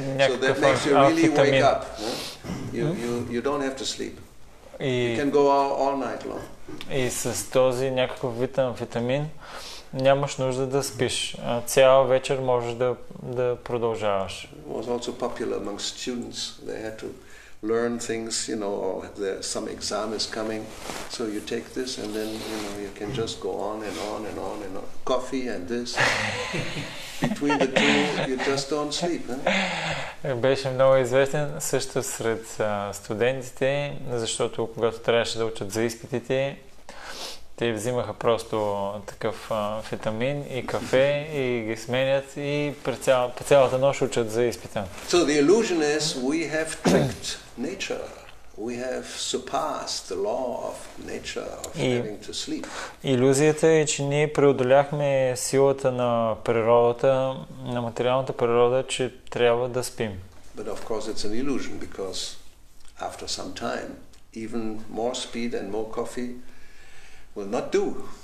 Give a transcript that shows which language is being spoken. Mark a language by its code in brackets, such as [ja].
[en] So that makes you really wake up. No? You don't have to sleep. You can go out all night long. [bg] И с този някакъв вид амфетамин нямаш нужда да спиш. Цял вечер можеш да продължаваш. [en] It was also popular among students. They had to learn things, you know, or some exam is coming. So you take this and then, you know, you can just go on and on and on and on. Coffee and this. Between the two, you just don't sleep. [bg] Беше много известен също сред студентите, защото когато трябваше да учат за изпитите, те взимаха просто такъв фетамин и кафе и ги сменят и по цялата нощ учат за изпита. [en] So the illusion is we have tricked nature. We have surpassed the law of nature of having to sleep. [bg] Илюзията е, че ние преодоляхме силата на природата, на материалната природа, че трябва да спим. [en] But of course it's an illusion because after some time, even more speed and more coffee will not do.